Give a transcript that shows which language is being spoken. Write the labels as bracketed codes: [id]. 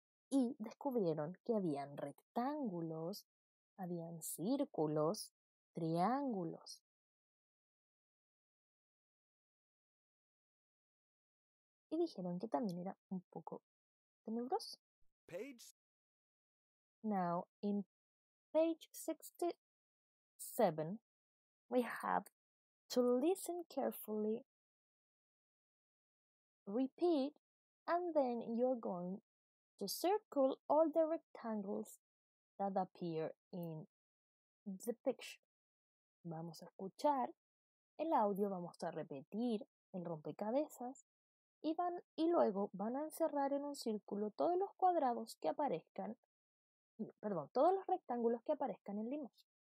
[es] Y descubrieron que habían rectángulos, habían círculos, triángulos. Y dijeron que también era un poco tenebroso. [en] Page. Now, in page 67, we have to listen carefully, repeat, and then you're going to circle all the rectangles that appear in the picture. [es] Vamos a escuchar el audio, vamos a repetir el rompecabezas y luego van a encerrar en un círculo todos los cuadrados que aparezcan, perdón, todos los rectángulos que aparezcan en la imagen.